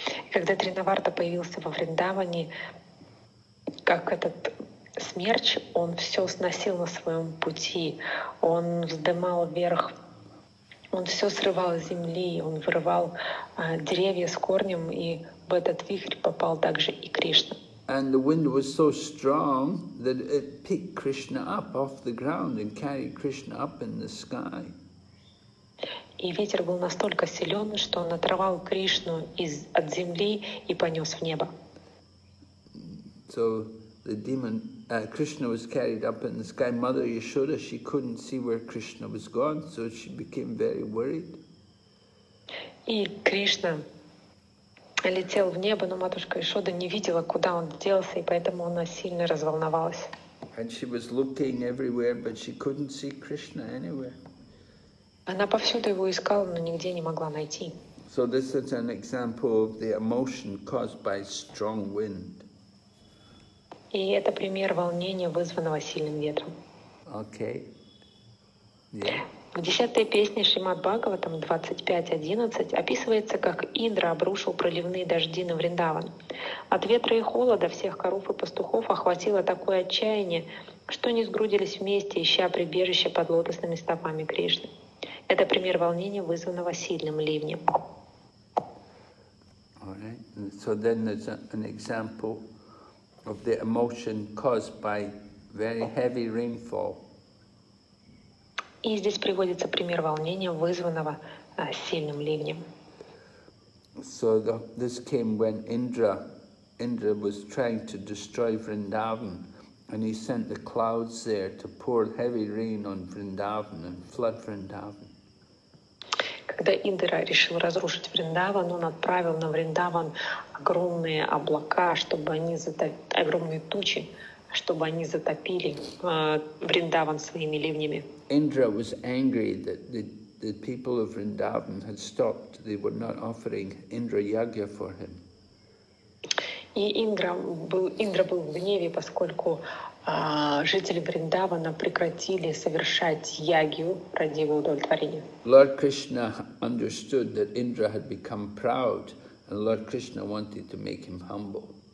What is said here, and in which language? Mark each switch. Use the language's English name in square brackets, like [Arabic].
[Russian] Когда Тринаварта появился во Вриндаване, как этот смерч, он все сносил на своем пути, он вздымал вверх, он все срывал с земли, он вырывал деревья с корнем, и в этот вихрь попал также и Кришна. [English] And the wind was so strong that it picked Krishna up off the ground and carried Krishna up in the sky. [Russian] И ветер был настолько силен, что он оторвал Кришну от земли и понес в небо. [English] So the demon, Krishna was carried up in the sky. Mother Yashoda, she couldn't see where Krishna was gone, so she became very worried. [Russian] И Кришна летел в небо, но матушка Ишода не видела, куда он делся, и поэтому она сильно разволновалась. [English] And she was looking everywhere, but she couldn't see Krishna anywhere. [Russian] Она повсюду его искала, но нигде не могла найти. [English] So this is an example of the emotion caused by strong wind. [Russian] И это пример волнения, вызванного сильным ветром. [English] Okay. [Russian] Yeah. В 10-й песне Шримад-Бхагаватам 25.11 описывается, как Индра обрушил проливные дожди на Вриндаван. От ветра и холода всех коров и пастухов охватило такое отчаяние, что они сгрудились вместе, ища прибежище под лотосными стопами Кришны. Это пример волнения, вызванного сильным ливнем. [English] Alright. So then there's an example of the emotion caused by very heavy rainfall. [Russian] И здесь приводится пример волнения, вызванного сильным ливнем. [English] So this came when Indra was trying to destroy Vrindavan, and he sent the clouds there to pour heavy rain on Vrindavan and flood Vrindavan. [Russian] Когда Индра решил разрушить Вриндаван, он отправил на Вриндаван огромные облака, чтобы они огромные тучи, чтобы они затопили Вриндаван своими ливнями. [English] Indra was angry that the people of Vrindavan had stopped. They were not offering Indra Yagya for him. [Russian] И Индра был в гневе, поскольку жители Вриндавана прекратили совершать ягью ради его удовлетворения. [English] Lord Krishna understood that Indra had become proud, and Lord Krishna wanted to make him humble.